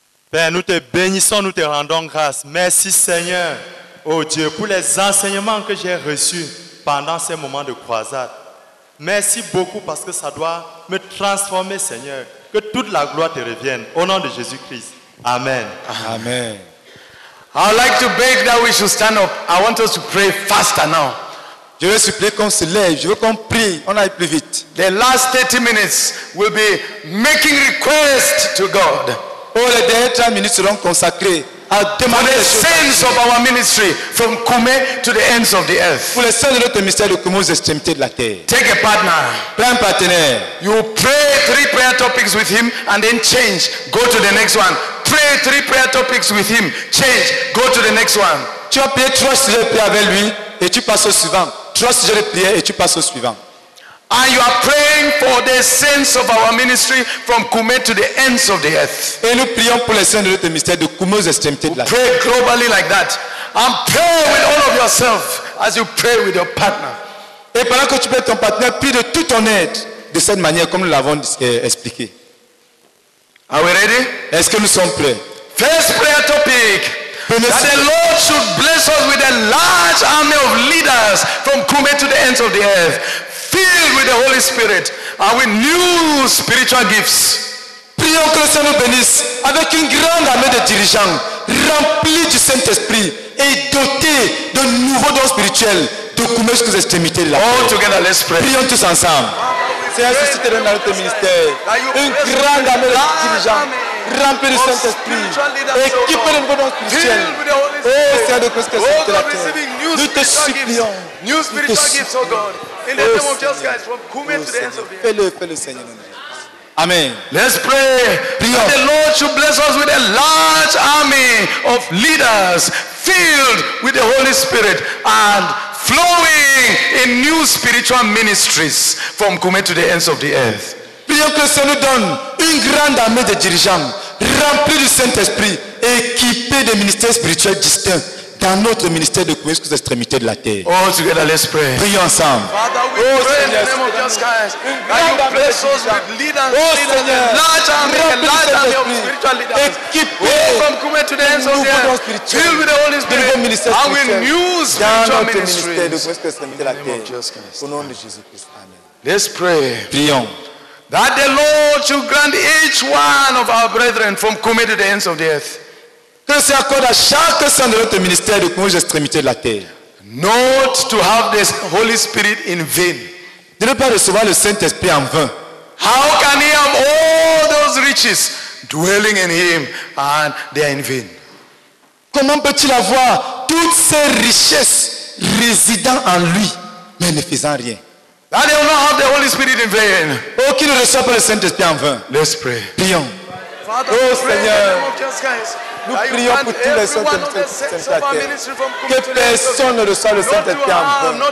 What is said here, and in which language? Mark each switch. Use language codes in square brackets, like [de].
[fr] Père, nous te bénissons, nous te rendons grâce. Merci Seigneur, oh Dieu, pour les enseignements que j'ai reçus pendant ces moments de croisade. Merci beaucoup parce que ça doit me transformer, Seigneur. Que toute la gloire te revienne. Au nom de Jésus-Christ. Amen. Amen. [en] I would like to beg that we should stand up. I want us to pray faster now. [fr] Je veux supplier qu'on se lève. Je veux qu'on prie. On aille plus vite. [en] The last 30 minutes will be making requests to God. [fr] Oh, les dernières 30 minutes seront consacrées. [en] For the saints of our ministry, from Kume to the ends of the earth. [fr] Pour les saints de notre ministère de Kume aux extrémités de la terre. [en] Take a partner. [fr] Prends un partenaire. [en] You pray three prayer topics with him and then change. Go to the next one. Pray three prayer topics with him. Change. Go to the next one. [fr] Tu as prié trois sujets de prière avec lui et tu passes au suivant. Trois sujets de prière et tu passes au suivant. [en] And you are praying for the saints of our ministry from Kume to the ends of the earth. [fr] Et nous prions pour les saints de notre ministère de Kume aux extrémités de la terre. [en] Pray globally like that. And pray with all of yourself as you pray with your partner. [fr] Et pendant que tu pries ton partenaire, prie de toute ton aide de cette manière comme nous l'avons expliqué. [en] Are we ready? [fr] Est-ce que nous sommes prêts? [en] First prayer topic. That the Lord should bless us with a large army of leaders from Kume to the ends of the earth. Filled with the Holy Spirit and with new spiritual gifts. [fr] Prions que le Seigneur nous bénisse avec une grande armée de dirigeants remplis du Saint-Esprit et dotés de nouveaux dons spirituels de Kume jusqu'aux extrémités de la [en] terre. All together, let's pray. [fr] Prions tous ensemble. Seigneur, suscite dans notre ministère une grande armée de dirigeants remplis du Saint-Esprit, équipés de nouveaux dons spirituels. Seigneur de Christ, que de la terre. Nous te supplions. [en] New spiritual gifts, oh God. In the name of Jesus Christ, from Kume to the ends of the earth. [fr] Fais-le, Seigneur. Amen. [en] Let's pray. [fr] Prions. [en] That the Lord should bless us with a large army of leaders filled with the Holy Spirit and flowing in new spiritual ministries from Kume to the ends of the earth. [fr] Prions que le Seigneur nous donne une grande armée de dirigeants remplis du Saint-Esprit, équipés de ministères spirituels distincts. Dans notre ministère de Kume jusqu'aux extrémités de la terre. Oh, together, let's pray. Prions ensemble. [en] Father, we pray in the name of Jesus Christ. And you bless us with leaders, large army of spiritual leaders. From Kume to the ends of the earth. Filled with the Holy Spirit. And we use spiritual ministries. [fr] Dans notre ministère de Kume jusqu'aux extrémités de la terre. Au nom de Jésus Christ. Amen. [en] Let's pray. [fr] Prions. [en] That the Lord should grant each one of our brethren from Kume to the ends of the earth. [fr] Que le Seigneur accorde à chaque saint de notre ministère de Kume aux extrémités de la terre. [en] Not to have the Holy Spirit in vain. [fr] De ne pas recevoir le Saint-Esprit en vain. [en] How can he have all those riches dwelling in him and they are in vain? [fr] Comment peut-il avoir toutes ces richesses résidant en lui, mais ne faisant rien? [en] That they will not have the Holy Spirit in vain. [fr] Oh, qu'il ne reçoive pas le Saint-Esprit en vain. [en] Let's pray. [fr] Prions. [en] Father, [fr] oh Seigneur, nous prions pour tous les saints de notre ministère. Que personne ne reçoive le Saint-Esprit en vain.